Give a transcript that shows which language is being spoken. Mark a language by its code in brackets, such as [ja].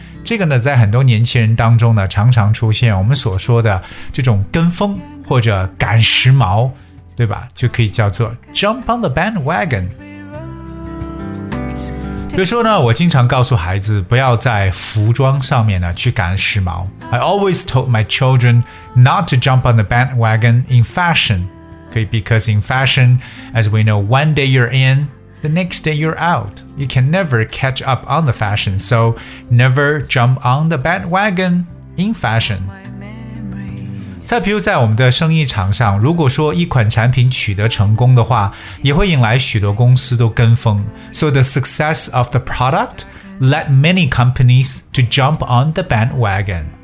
[zh] 这个呢在很多年轻人当中呢常常出现我们所说的这种跟风或者赶时髦对吧就可以叫做 jump on the bandwagon 比如说呢我经常告诉孩子不要在服装上面呢去赶时髦 [en] I always told my children not to jump on the bandwagon in fashion because in fashion as we know one day you're inThe next day you're out. You can never catch up on the fashion. So never jump on the bandwagon in fashion. [zh] 再比如在我们的生意场上，如果说一款产品取得成功的话，也会引来许多公司都跟风。 [en] So the success of the product led many companies to jump on the bandwagon.